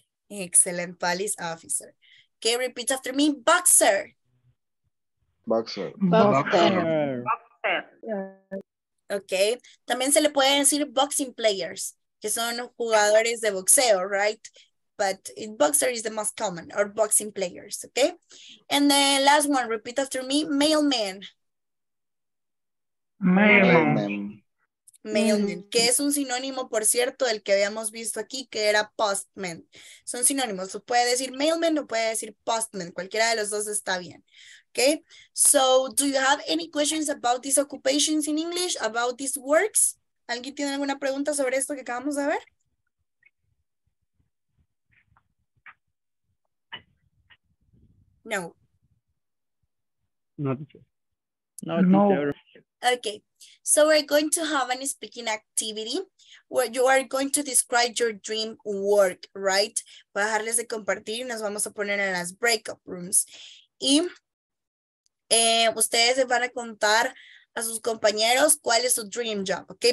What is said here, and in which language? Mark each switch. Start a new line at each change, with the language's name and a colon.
English: Excellent, police officer. Okay, repeat after me. Boxer. Boxer. Boxer.
Spanish: Okay, también se le puede decir boxing players, que son jugadores de boxeo, right?
English: But boxer is the most common, or boxing players, okay? And the last one, repeat after me. Mailman. Mailman.
Spanish: Mailman, que es un sinónimo, por cierto, del que habíamos visto aquí, que era postman. Son sinónimos. Se puede decir mailman o puede decir postman. Cualquiera de los dos está bien. Okay.
English: So, do you have any questions about these occupations in English, about these works?
Spanish: ¿Alguien tiene alguna pregunta sobre esto que acabamos de ver? No. No. No.
English: Okay, so we're going to have a speaking activity where you are going to describe your dream work, right?
Spanish: Voy a dejarles de compartir y nos vamos a poner en las breakup rooms. Y ustedes van a contar a sus compañeros cuál es su dream job, okay?